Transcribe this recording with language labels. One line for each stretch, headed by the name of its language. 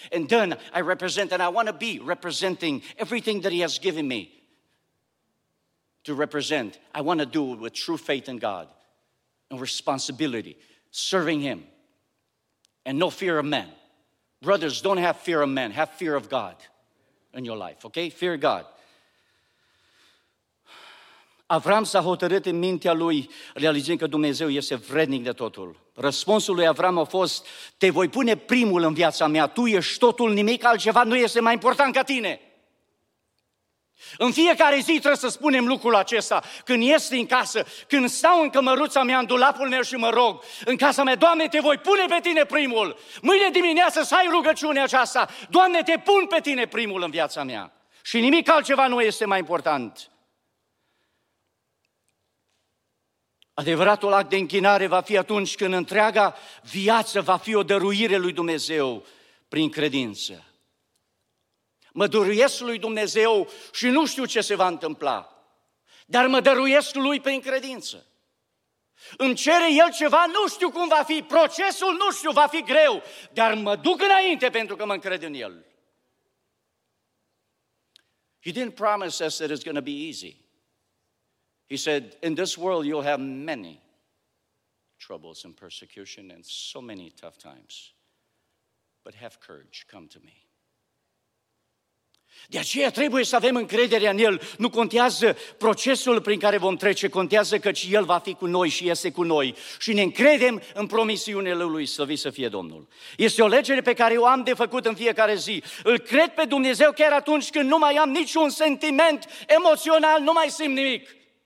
English: And then I represent and I want to be representing everything that He has given me to represent. I want to do it with true faith in God and responsibility, serving Him and no fear of men. Brothers, don't have fear of men. Have fear of God in your life, okay? Fear God.
Romanian: Avram s-a hotărât în mintea lui, realizând că Dumnezeu este vrednic de totul. Răspunsul lui Avram a fost, te voi pune primul în viața mea, tu ești totul, nimic altceva nu este mai important ca tine. În fiecare zi trebuie să spunem lucrul acesta, când ies din casă, când stau în cămăruța mea, în dulapul meu și mă rog, în casa mea, Doamne, te voi pune pe tine primul. Mâine dimineață să ai rugăciunea aceasta, Doamne, te pun pe tine primul în viața mea. Și nimic altceva nu este mai important. Adevăratul act de închinare va fi atunci când întreaga viață va fi o dăruire lui Dumnezeu prin credință. Mă dăruiesc lui Dumnezeu și nu știu ce se va întâmpla, dar mă dăruiesc lui prin credință. Îmi cere El ceva, nu știu cum va fi, procesul nu știu, va fi greu, dar mă duc înainte pentru că mă încred în El.
English: He didn't promise us that it's going to be easy. He said, in this world you'll have many troubles and persecution and so many tough times, but have courage, come to me.
Romanian: De aceea trebuie să avem încredere în El. Nu contează procesul prin care vom trece, contează că și El va fi cu noi și este cu noi. Și ne încredem în promisiunile Lui, slăvit să fie Domnul. Este o lege pe care o am de făcut în fiecare zi. Îl cred pe Dumnezeu chiar atunci când nu mai am niciun sentiment emoțional, nu mai simt nimic.